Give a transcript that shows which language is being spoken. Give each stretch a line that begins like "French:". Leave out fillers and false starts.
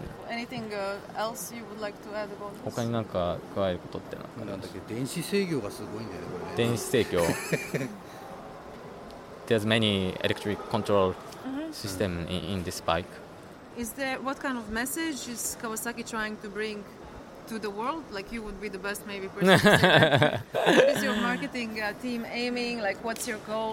English: Anything else you would like to add about this?
Japanese: 他になんか加えることってなんかなんだっけ電子制御がすごいんだよねこれね
English: 電子制御 There's many electric control system in this bike. Is there what kind of message is Kawasaki trying to bring to the world? Like you would be the best maybe person. What is your marketing team aiming? Like what's your goal?